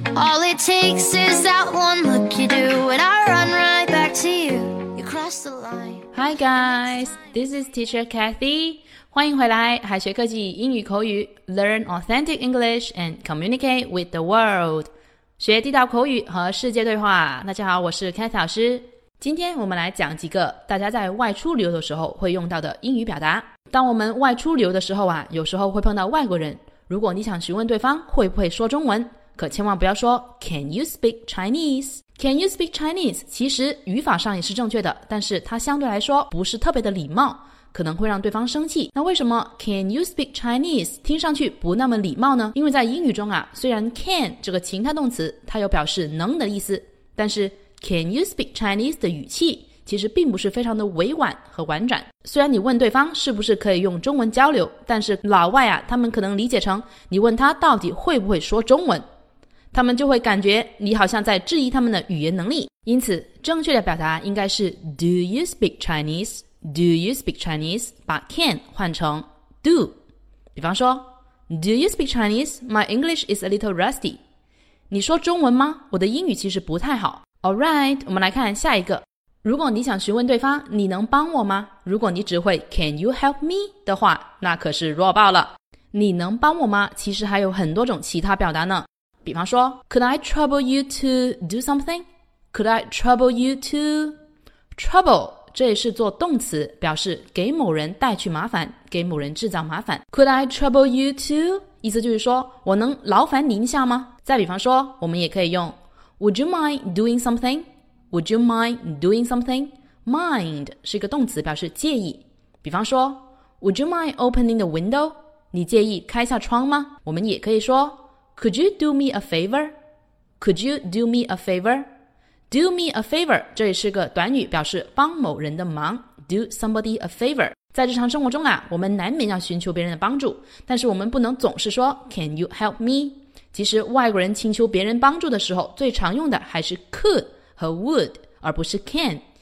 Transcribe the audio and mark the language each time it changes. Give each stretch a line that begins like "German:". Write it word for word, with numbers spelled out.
English: All it takes is that one look you do, and I run right back to you. You cross the line. Hi guys, this is Teacher Kathy.
Chinese: 欢迎回来，海学科技英语口语
English: ，Learn authentic English and communicate with the world.
Chinese: 学地道口语和世界对话。大家好，我是 Kathy 老师。今天我们来讲几个大家在外出旅游的时候会用到的英语表达。当我们外出旅游的时候啊，有时候会碰到外国人。如果你想询问对方会不会说中文，可千万不要说
English: Can you speak Chinese? Can you speak Chinese?
Chinese: 其实语法上也是正确的，但是它相对来说不是特别的礼貌，可能会让对方生气。那为什么
English: Can you speak Chinese
Chinese: 听上去不那么礼貌呢？因为在英语中啊，虽然 can 这个情态动词它有表示能的意思，但是Can you speak Chinese 的语气其实并不是非常的委婉和婉转。虽然你问对方是不是可以用中文交流，但是老外啊，他们可能理解成你问他到底会不会说中文，他们就会感觉你好像在质疑他们的语言能力。因此正确的表达应该是
English: Do you speak Chinese? Do you speak Chinese?
Chinese: 把 can 换成 do。比方说
English: Do you speak Chinese? My English is a little rusty.
Chinese: 你说中文吗？我的英语其实不太好。 Alright, 我们来看下一个。如果你想询问对方你能帮我吗，如果你只会
English: Can you help me
Chinese: 的话，那可是弱爆了。你能帮我吗其实还有很多种其他表达呢。比方说
English: Could I trouble you to do something? Could I trouble you to
Chinese: Trouble 这也是做动词，表示给某人带去麻烦，给某人制造麻烦。
English: Could I trouble you to
Chinese: 意思就是说我能劳烦您一下吗。再比方说我们也可以用
English: Would you mind doing something? Would you mind doing something?
Chinese: Mind 是一个动词，表示介意。比方说
English: Would you mind opening the window?
Chinese: 你介意开下窗吗？我们也可以说
English: Could you do me a favor? Could you do me a favor? Do me a favor
Chinese: 这也是个短语，表示帮某人的忙。
English: Do somebody a favor。
Chinese: 在日常生活中啊，我们难免要寻求别人的帮助，但是我们不能总是说
English: Can you help me?
Chinese: 其实外国人请求别人帮助的时候，最常用的还是 could 和 would， 而不是 can。